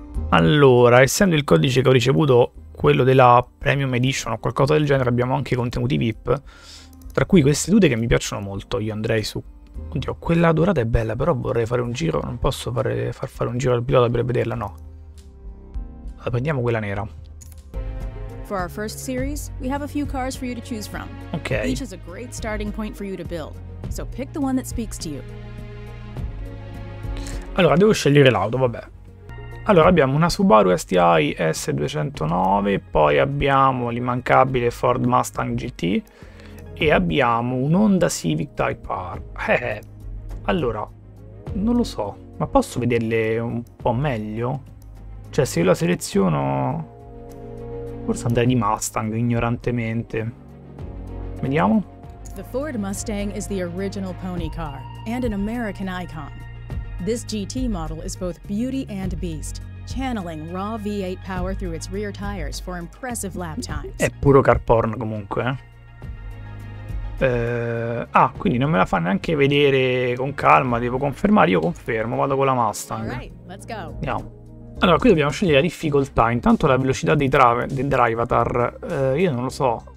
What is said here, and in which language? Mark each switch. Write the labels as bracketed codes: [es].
[it] Allora, essendo il codice che ho ricevuto quello della Premium Edition o qualcosa del genere, abbiamo anche contenuti VIP, tra cui queste tute che mi piacciono molto. Io andrei su... Oddio, quella dorata è bella, però vorrei fare un giro. Non posso far fare un giro al pilota per vederla, no. Allora, prendiamo quella nera. [en] For our first series, we have a few cars for you to choose from. Okay. Each has a great starting point for you to build. So pick the one that speaks to you. [it] Allora, devo scegliere l'auto, vabbè. Allora, abbiamo una Subaru STI S209, poi abbiamo l'immancabile Ford Mustang GT e abbiamo un Honda Civic Type R. Allora, non lo so, ma posso vederle un po' meglio? Cioè, se io la seleziono... Forse andrei di Mustang, ignorantemente. Vediamo. [en] The Ford Mustang is the original pony car and an American icon. This GT model is both beauty and beast, channeling raw V8 power through its rear tires for impressive lap times. [it] È puro car porn comunque. Quindi non me la fa neanche vedere con calma. Devo confermare. Io confermo. Vado con la Mustang. Andiamo. Allora, qui dobbiamo scegliere la difficoltà. Intanto la velocità dei drivatar. Io non lo so.